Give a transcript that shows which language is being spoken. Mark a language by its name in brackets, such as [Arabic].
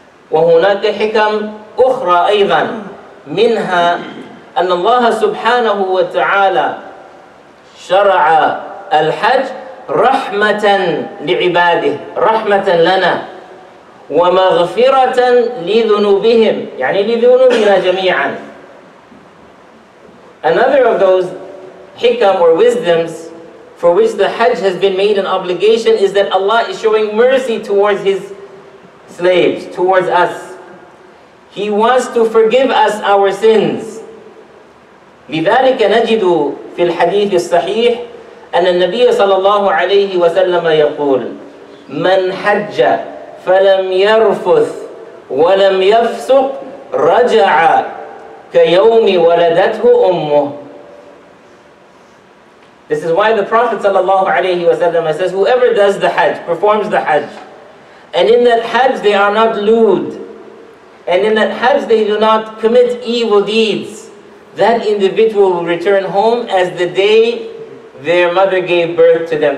[Arabic] وَهُنَاكَ حِكَمْ أُخْرَى أَيْضًا مِنْهَا أَنَّ اللَّهَ سُبْحَانَهُ وَتَعَالَى شَرَعَ الْحَجَّ رَحْمَةً لِعِبَادِهِ رَحْمَةً لَنَا وَمَغْفِرَةً لِذُنُوبِهِمْ يعني لِذُنُوبِنَا جَمِيعًا. [English] Another of those hikam or wisdoms for which the Hajj has been made an obligation is that Allah is showing mercy towards His slaves, towards us. He wants to forgive us our sins. [Arabic] لذلك نجد في الحديث الصحيح أن النبي صلى الله عليه وسلم يقول من حج فلم يرفث ولم يفسق رجع كيوم ولدته أمه. [English] This is why the Prophet صلى الله عليه وسلم says whoever does the Hajj, performs the Hajj, and in that Hajj they are not lewd, and in that Hajj they do not commit evil deeds, that individual will return home as the day their mother gave birth to them.